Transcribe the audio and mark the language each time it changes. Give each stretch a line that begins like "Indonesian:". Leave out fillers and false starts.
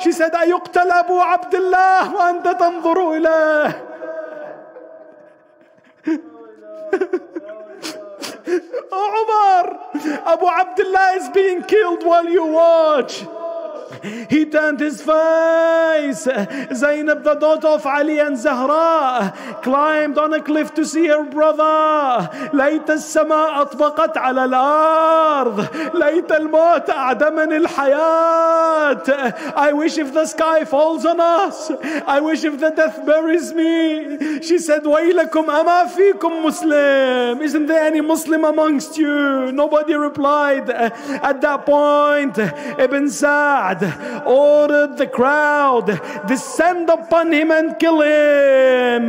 English: She said,
Arabic: "Ayuqtal Abu Abdullah wa anta tanzuru ilayh."
English: Oh Umar, Abu Abdullah is being killed while you watch. He turned his face. Zainab, the daughter of Ali and Zahra, climbed on a cliff to see her brother.
Arabic: ليت السماء أطبقت على الأرض ليت الموت أعدمن الحياة.
English: I wish if the sky falls on us, I wish if the death buries me. She said,
Arabic: ويلكم أما فيكم مسلم.
English: Isn't there any Muslim amongst you? Nobody replied. At that point, Ibn Sa'd ordered the crowd, descend upon him and kill him.